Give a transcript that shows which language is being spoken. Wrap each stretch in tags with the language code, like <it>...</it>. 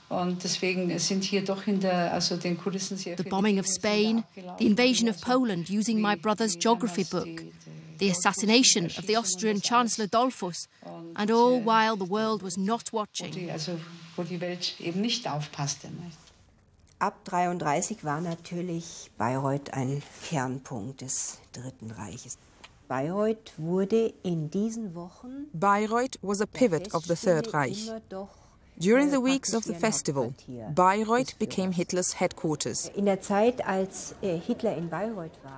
<en>The bombing of Spain, the invasion of Poland using my brother's geography book, the assassination of the Austrian Chancellor Dollfuss, and all while the world was not watching.</en> <de>Ab 33 war natürlich Bayreuth ein Kernpunkt des Dritten Reiches. Bayreuth wurde in diesen Wochen.</de> <en>Bayreuth was a pivot of the Third Reich. During the weeks of the festival, Bayreuth became Hitler's headquarters.</en> <de>In der Zeit, als Hitler in Bayreuth war,</de>